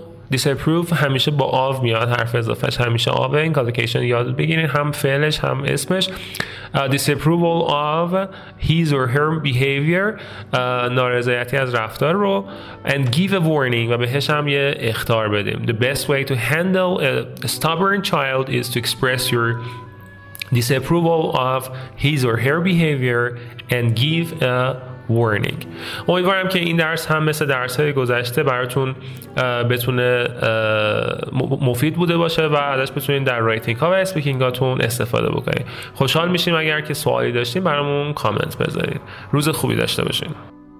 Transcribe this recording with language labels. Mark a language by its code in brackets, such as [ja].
[fa] Disapprove همیشه با of میاد، حرف اضافهش همیشه of. این collocation یاد بگیرین، هم فعلش هم اسمش. [en] Disapproval of his or her behavior، [fa] نارضایتی از رفتار رو. [en] And give a warning، [fa] و بهش هم یه اخطار بدیم. [en] The best way to handle a stubborn child is to express your disapproval of his or her behavior and give a warning. [fa] امیدوارم که این درس هم مثل درس های گذشته براتون بتونه مفید بوده باشه و ازش بتونین در رایتینگ ها و اسپیکینگ هاتون استفاده بکنین. خوشحال میشیم اگر که سوالی داشتین برامون کامنت بذارین. روز خوبی داشته باشین.